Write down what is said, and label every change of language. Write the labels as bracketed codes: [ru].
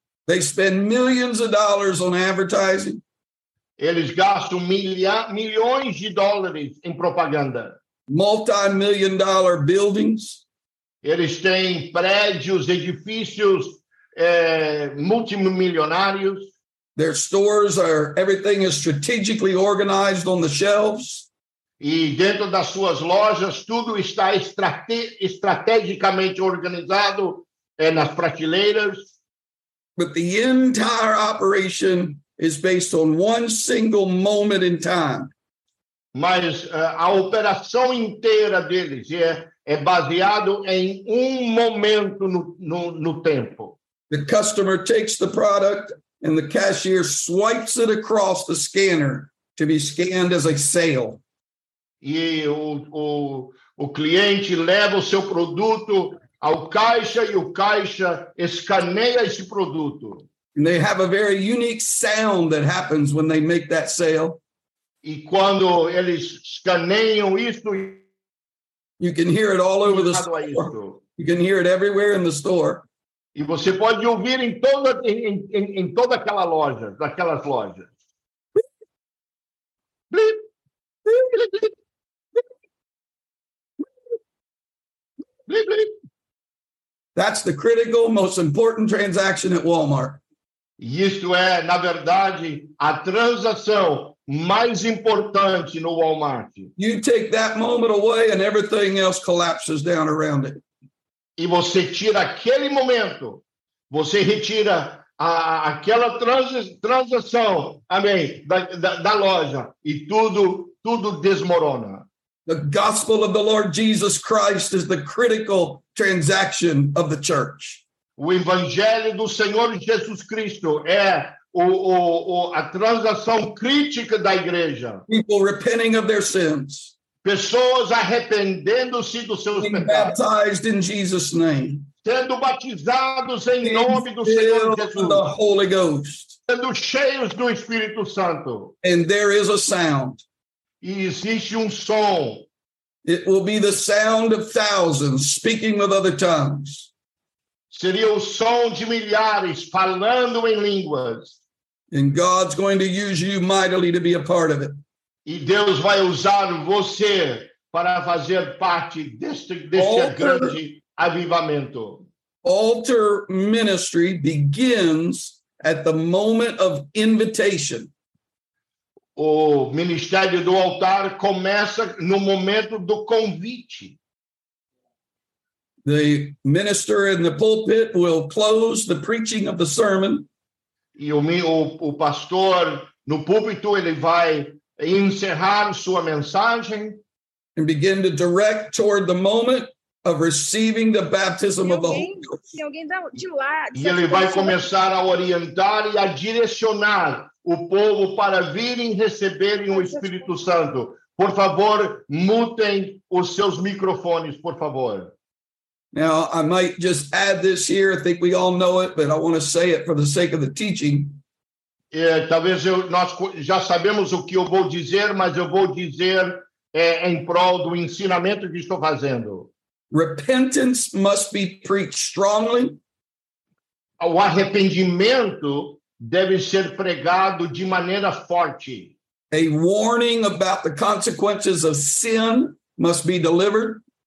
[en] They spend millions of dollars on advertising. [pt] Eles gastam milhões de dólares em propaganda. [en] Multi-million dollar buildings. [pt] Eles têm prédios, edifícios multimilionários. [en] Their stores are, everything is strategically organized on the shelves. [pt] E dentro das suas lojas, tudo está estrategicamente organizado nas prateleiras. [en] But the entire operation is based on one single moment in time. [pt] Mas a operação inteira deles é baseado em momento no tempo. [en] The customer takes the product. And the cashier swipes it across the scanner to be scanned as a sale. [pt] E o cliente leva o seu produto ao caixa e o caixa escaneia esse produto. [en] And they have a very unique sound that happens when they make that sale. [pt] E quando eles escaneiam isso, [en] you can hear it all over the store. You can hear it everywhere in the store. [pt] E você pode ouvir em toda em toda aquela loja, daquelas lojas. [en] That's the critical, most important transaction at Walmart. [pt] Isto é, na verdade, a transação mais importante no Walmart. [en] You take that moment away and everything else collapses down around it. [pt] E você tira aquele momento, você retira aquela transação, amém, da loja, e tudo desmorona. [en] The gospel of the Lord Jesus Christ is the critical transaction of the church. [pt] O evangelho do Senhor Jesus Cristo é a transação crítica da igreja. [en] People repenting of their sins. [pt] Pessoas arrependendo-se dos seus [en] being [pt] pecados. [en] Baptized in Jesus' name. [pt] Sendo batizados em nome do Senhor Jesus. [en] The Holy Ghost. [pt] Sendo cheios do Espírito Santo. [en] And there is a sound. [pt] E existe som. [en] It will be the sound of thousands speaking with other tongues. [pt] Seria o som de milhares falando em línguas. [en] And God's going to use you mightily to be a part of it. [pt] E Deus vai usar você para fazer parte deste grande avivamento. [en] Altar ministry begins at the moment of invitation. [pt] O ministério do altar começa no momento do convite. [en] The minister in the pulpit will close the preaching of the sermon. [pt] E o pastor no púlpito, ele vai encerrar sua mensagem. [en] And begin to direct toward the moment of receiving the baptism of the Holy Ghost. [pt] E ele vai começar a orientar e a direcionar o povo para virem receberem o Espírito Santo. Por favor, mutem os seus microfones, por favor. [en] Now, I might just add this here. I think we all know it, but I want to say it for the sake of the teaching. [pt] É, talvez nós já sabemos o que eu vou dizer, mas eu vou dizer em prol do ensinamento que estou fazendo. [en] Repentance must be preached strongly. [pt] O arrependimento deve ser pregado de maneira forte. [en] A warning about the consequences of sin must be delivered.